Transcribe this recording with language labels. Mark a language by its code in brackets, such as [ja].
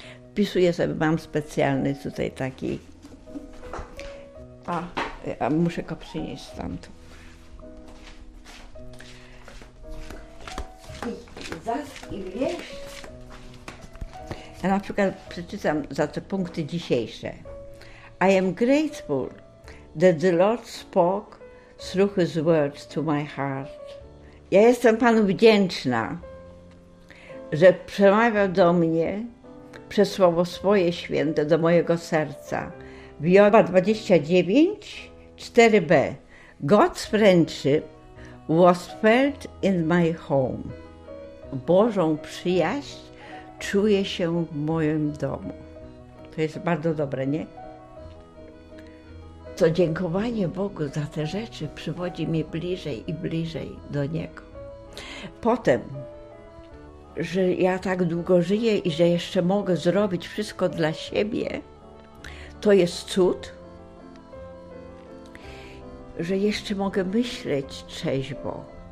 [pl] Wpisuję sobie, mam specjalny tutaj taki. A muszę go przynieść stamtąd. I wiesz, ja na przykład przeczytam za te punkty dzisiejsze. [en] I am grateful that the Lord spoke through His words to my heart. [pl] Ja jestem Panu wdzięczna, że przemawiał do mnie przez słowo swoje święte do mojego serca. Joba 29:4b. [en] God's friendship was felt in my home. [pl] Bożą przyjaźń czuję się w moim domu. To jest bardzo dobre, nie? To dziękowanie Bogu za te rzeczy przywodzi mnie bliżej i bliżej do Niego. Potem, że ja tak długo żyję i że jeszcze mogę zrobić wszystko dla siebie, to jest cud, że jeszcze mogę myśleć trzeźwo.